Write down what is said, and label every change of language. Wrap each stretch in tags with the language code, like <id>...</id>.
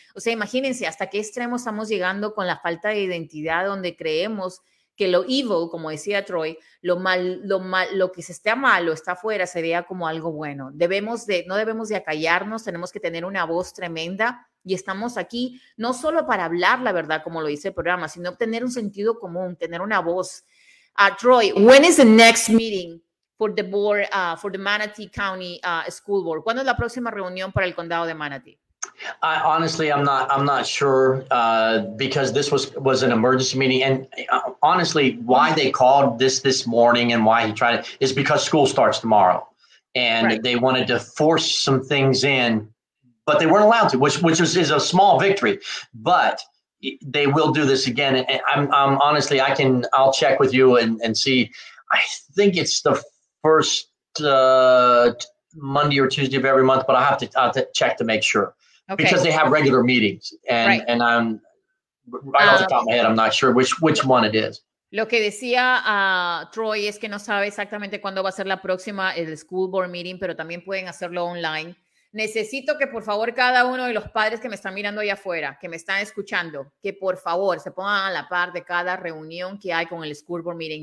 <es>O sea, imagínense hasta qué extremo estamos llegando con la falta de identidad, donde creemos que lo evil, como decía Troy, lo que se está mal o está afuera se vea como algo bueno. No debemos de acallarnos, tenemos que tener una voz tremenda. Y estamos aquí no solo para hablar la verdad, como lo dice el programa, sino obtener un sentido común, tener una voz.</es> <en>Troy, when is the next meeting for the board, for the Manatee County School Board?</en> <es>¿Cuándo es la próxima reunión para el condado de Manatee?</es> <en>I'm not sure because this was an emergency meeting. And honestly, why they called this morning and why he tried it is because school starts tomorrow. And right, they wanted to force some things in, but they weren't allowed to, which is a small victory, but they will do this again. And I'll check with you and see. I think it's the first Monday or Tuesday of every month, but I'll have to check to make sure. Okay. Because they have regular meetings and I'm right off the top of my head, I'm not sure which one it is.</en> <es>Lo que decía Troy es que no sabe exactamente cuándo va a ser la próxima el school board meeting, pero también pueden hacerlo online. Necesito que por favor cada uno de los padres que me están mirando allá afuera, que me están escuchando, que por favor se pongan a la par de cada reunión que hay con el school board meeting.</es>